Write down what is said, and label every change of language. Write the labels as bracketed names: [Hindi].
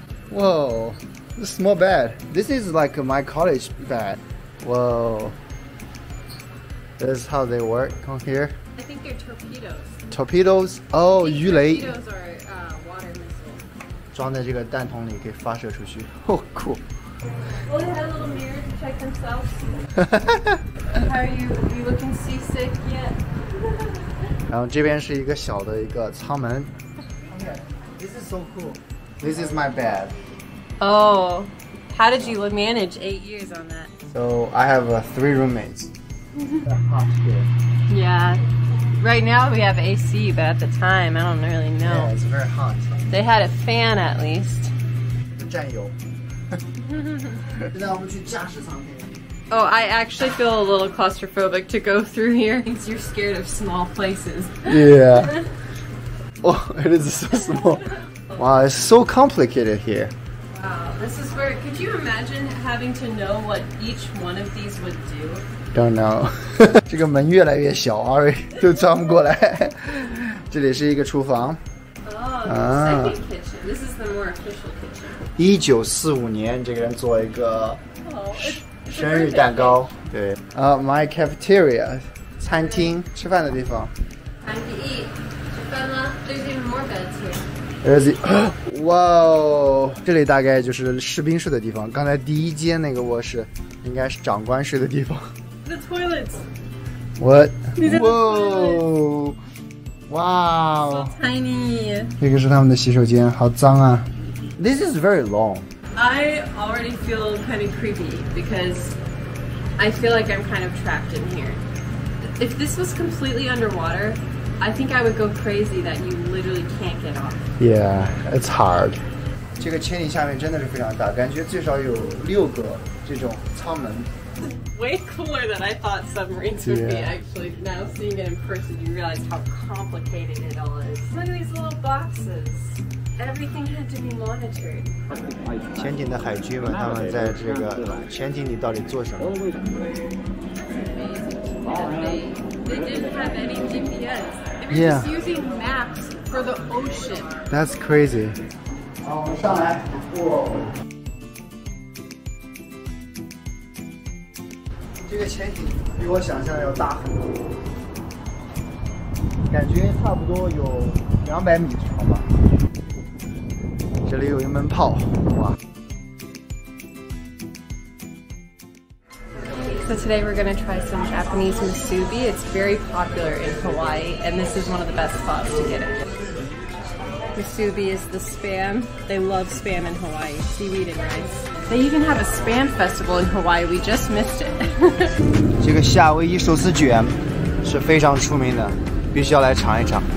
[English] Whoa, this small bed. This is like my college bed. Whoa. This is how they work on here. I think they're torpedoes. Torpedoes? Oh, [Chinese] 鱼雷. [English] Torpedoes are water missiles. [Chinese] 装在这个弹筒里可以发射出去. [English] Oh, cool. Oh, they have a little mirror to check themselves. How are you looking seasick yet? [Chinese] 然后这边是一个小的一个舱门. [English] Okay, this is so cool. This is my bed. Oh, how did you manage 8 years on that? So I have three roommates. Yeah, right now we have AC, but at the time, I don't really know. Yeah, it's very hot. They had a fan at least. [Chinese] 战友那我们去驾驶舱。 [English] Oh, I actually feel a little claustrophobic to go through here. Because you're scared of small places. Yeah. Oh, it is so small. Wow, it's so complicated here. Wow, this is where... Could you imagine having to know what each one of these would do? Don't know. [Chinese] 这个门越来越小 ,Ari, 都钻不过来。这里是一个厨房。 [English] Oh, the second kitchen. This is the more official kitchen. 1945 [Chinese] 年这个人做一个生日蛋糕。对。 [English] My cafeteria, [Chinese] 餐厅吃饭的地方。 [English] Time to eat. [Chinese] 吃饭吗? [English] There's even more beds here. There's it. [Chinese] Wow, 这里大概就是士兵睡的地方。刚才第一间那个卧室，应该是长官睡的地方。 [English] The toilets. What? Whoa. Wow. So tiny. [Chinese] 这个是他们的洗手间，好脏啊。 [English] This is very long. I already feel kind of creepy because I feel like I'm kind of trapped in here. If this was completely underwater. I think I would go crazy that you literally can't get off. Yeah, it's hard. [Chinese] 这个潜艇下面真的是非常大，感觉最少有六个这种舱门。 [English] Way cooler than I thought submarines would be. Actually, now seeing it in person, you realize how complicated it all is. Look at these little boxes. Everything had to be monitored. [Chinese] 潜艇的海军们，他们在这个潜艇里到底做什么？ [English] They didn't have any GPS. They're just using maps for the ocean. That's crazy. [Chinese] 好，我们上来。这个潜艇比我想象要大很多，感觉差不多有200米长吧。这里有一门炮，哇。 [English] So today we're going to try some Japanese musubi. It's very popular in Hawaii, and this is one of the best spots to get it. Musubi is the spam. They love spam in Hawaii, seaweed and rice. They even have a spam festival in Hawaii. We just missed it. [Chinese] 这个夏威夷寿司卷是非常出名的，必须要来尝一尝。